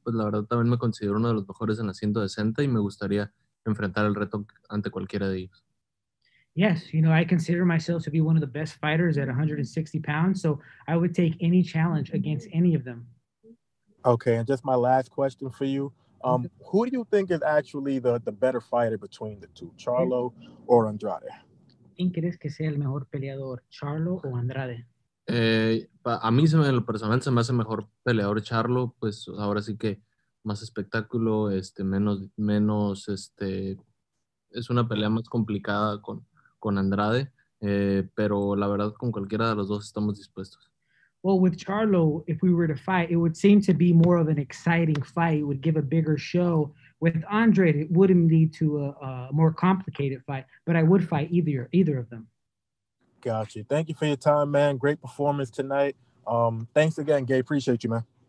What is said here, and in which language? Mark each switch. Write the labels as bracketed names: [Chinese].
[Spanish] Pues la verdad también me considero uno de los mejores en asiento decente y me gustaría enfrentar el reto ante cualquiera de ellos. [English] Yes, you know, I consider myself to be one of the best fighters at 160 pounds, so I would take any challenge against any of them. Okay, and just my last question for you. Who do you think is actually the better fighter between the two, Charlo or Andrade? [Spanish] ¿Quién crees que sea el mejor peleador, Charlo o Andrade? A mí, en lo personal, se me hace mejor peleador Charlo, pues ahora sí que más espectáculo, menos, es una pelea más complicada con Andrade, pero la verdad, con cualquiera de los dos estamos dispuestos. [English] Well, with Charlo, if we were to fight, it would seem to be more of an exciting fight. It would give a bigger show. With Andre, it wouldn't lead to a more complicated fight, but I would fight either of them. Gotcha. Thank you for your time, man. Great performance tonight. Thanks again, Gay. Appreciate you, man.